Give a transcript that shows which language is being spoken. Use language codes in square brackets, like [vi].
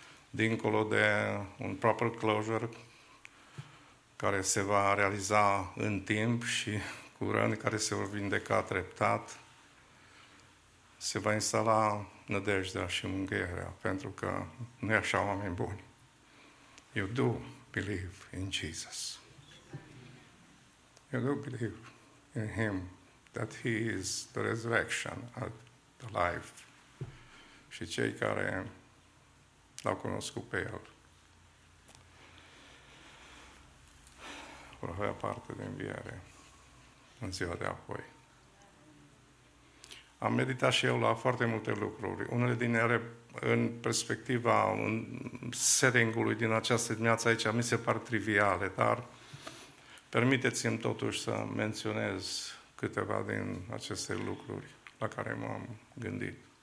[ro] Dincolo de un [en] proper closure, [ro] care se va realiza în timp și cu răni care se vor vindeca treptat, se va instala nădejdea și mângâierea, pentru că nu e așa, oameni buni. [en] You do believe in Jesus. You do believe in Him, that He is the resurrection and the life. [ro] Și cei care L-au cunoscut pe El vor avea parte de înviere în ziua de apoi. Am meditat și eu la foarte multe lucruri. Unele din ele în perspectiva setting-ului din această dimineață aici mi se par triviale, dar permiteți-mi totuși să menționez câteva din aceste lucruri la care m-am gândit.